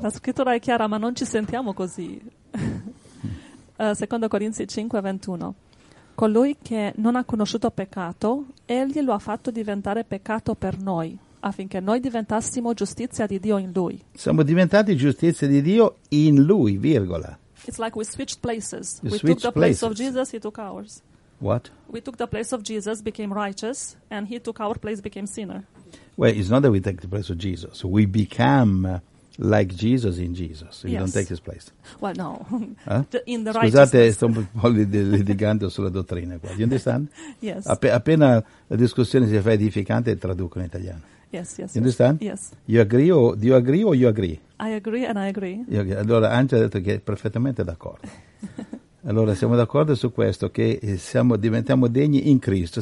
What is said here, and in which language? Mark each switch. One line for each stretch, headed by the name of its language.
Italian: La scrittura è chiara, ma non ci sentiamo così. Secondo Corinzi 5, 21. Colui che non ha conosciuto peccato, egli lo ha fatto diventare peccato per noi, affinché noi diventassimo giustizia di Dio in lui. Siamo diventati giustizia di Dio in lui, virgola.
English: It's like we switched places. We took the place of Jesus, he took ours. What? We took the place of Jesus, became righteous, and he took our place, became sinner. Well, it's not that we take the place of Jesus. We become like Jesus in Jesus. Yes. We don't take his place. Well, no. In the righteousness.
Italian: Scusate, sto un po' litigando sulla dottrina qua.
English: You understand? Yes.
Italian: Appena la discussione si fa edificante, traduco in italiano.
English: Yes. You understand? Yes. Do you agree? I agree.
Italian: Allora, Angela ha detto che è perfettamente d'accordo. Allora, siamo d'accordo su questo, che diventiamo degni in Cristo.